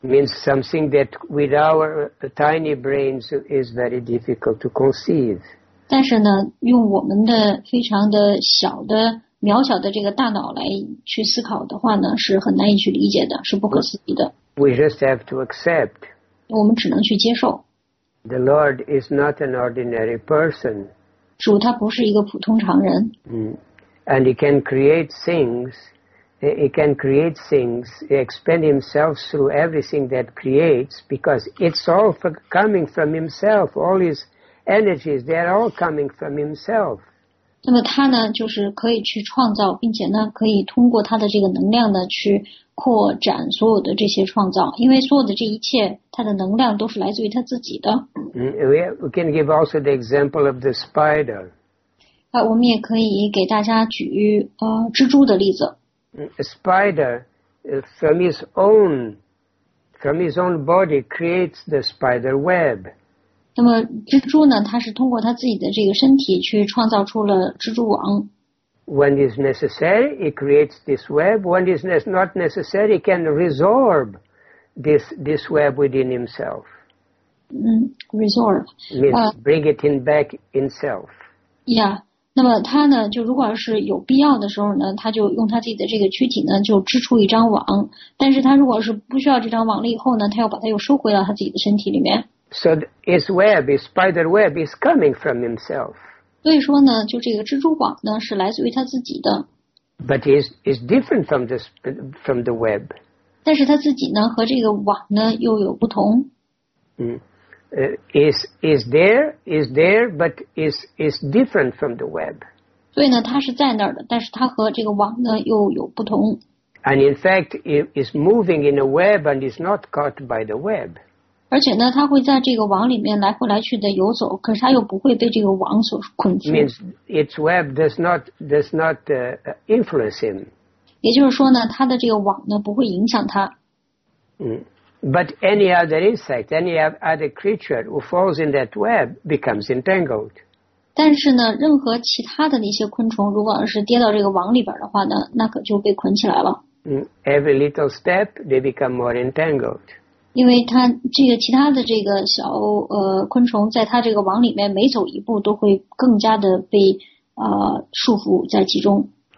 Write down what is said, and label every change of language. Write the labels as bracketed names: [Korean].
[English] Means something that with our tiny brains is very difficult to conceive. [Chinese] 但是呢，用我们的非常的小的渺小的这个大脑来去思考的话呢，是很难以去理解的，是不可思议的。 [English] We just have to accept. [Chinese] 我们只能去接受。 [English] The Lord is not an ordinary person. [Chinese] 主他不是一个普通常人。 [English] And he can create things. He can create things. He expand himself through everything that creates because it's all coming from himself. All his energies, they are all coming from himself. [Chinese] 那么他呢，就是可以去创造，并且呢，可以通过他的这个能量呢去。扩展所有的这些创造，因为所有的这一切，它的能量都是来自于他自己的。 [English] We can give also the example of the spider. [Chinese] 我们也可以给大家举蜘蛛的例子。 [English] A spider from his own body creates the spider web. [Chinese] 那么蜘蛛呢？它是通过它自己的这个身体去创造出了蜘蛛网。 [English] When it is necessary, it creates this web. When it is not necessary, it can resorb this web within himself. Resorb. Means bring it in back in self. Yeah. [Chinese] 那么他呢，就如果是有必要的时候呢，他就用他自己的这个躯体呢，就织出一张网。但是他如果是不需要这张网了以后呢，他又把它又收回到他自己的身体里面。 [English] So his web, his spider web, is coming from himself. [Chinese] 所以说呢，就这个蜘蛛网呢，是来自于他自己的。 [English] But is different from the web. [Chinese] 但是他自己呢，和这个网呢又有不同。 [English] Is there, but is different from the web. [Chinese] 所以呢，它是在那儿的，但是它和这个网呢又有不同。 [English] And in fact, it is moving in a web and is not caught by the web. [Chinese] 而且呢，它会在这个网里面来回来去的游走，可是它又不会被这个网所困住。 [English] Means its web does not influence him. [Chinese] 也就是说呢，它的这个网呢不会影响它。 [English] But any other insect, any other creature who falls in that web becomes entangled. [Chinese] 但是呢，任何其他的那些昆虫，如果要是跌到这个网里边的话呢，那可就被捆起来了。 [English] Every little step, they become more entangled. [Chinese] 因为它这个其他的这个小昆虫，在它这个网里面每走一步都会更加的被束缚在其中。